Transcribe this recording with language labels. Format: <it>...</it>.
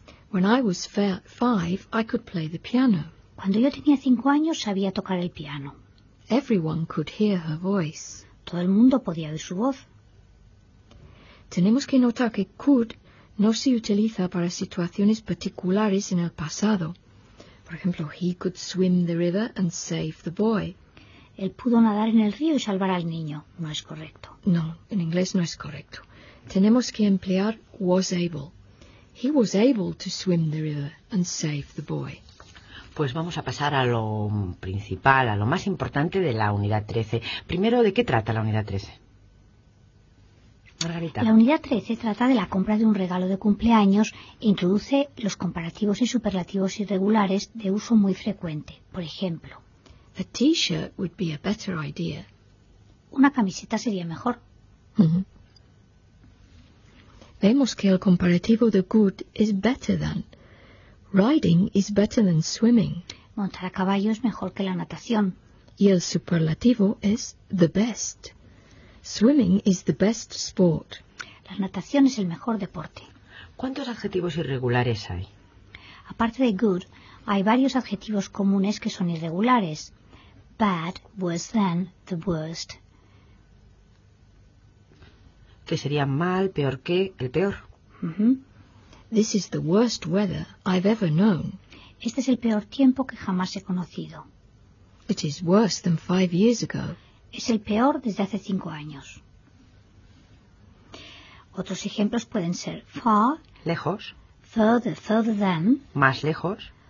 <en>When I was five, I could play the piano.</en> <es>Cuando yo tenía 5 años, sabía tocar el piano.</es> <en>Everyone could hear her voice.</en> <es>Todo el mundo podía oír su voz. Tenemos que notar que could no se utiliza para situaciones particulares en el pasado. Por ejemplo,</es> <en>he could swim the river and save the boy.</en> <es>Él pudo nadar en el río y salvar al niño. No es correcto. No, en inglés no es correcto. Tenemos que emplear was able.</es> <en>He was able to swim the river and save the boy.</en> <es>Pues vamos a pasar a lo principal, a lo más importante de la unidad 13. Primero, ¿de qué trata la unidad 13? Margarita. La unidad 13 trata de la compra de un regalo de cumpleaños e introduce los comparativos y superlativos irregulares de uso muy frecuente. Por ejemplo,</es> <en>a t-shirt would be a better idea.</en> <es>Una camiseta sería mejor. Mm-hmm. Vemos que el comparativo de</es> <en>good is better than. Riding is better than swimming.</en> <es>Montar a caballo es mejor que la natación. Y el superlativo es</es> <en>the best. Swimming is the best sport.</en> <es>La natación es el mejor deporte. ¿Cuántos adjetivos irregulares hay? Aparte de good, hay varios adjetivos comunes que son irregulares.</es> <en>Bad, worse than, the worst.</en> <es>Que sería mal, peor que, el peor. Uh-huh.</es> <en>This is the worst weather I've ever known.</en> <es>Este es el peor tiempo que jamás he conocido.</es> <en>It is worse than 5 years ago.</en> <es>Es el peor desde hace 5 años. Otros ejemplos pueden ser far, lejos,</es> <en>further, further than,</en> <es>más lejos,</es>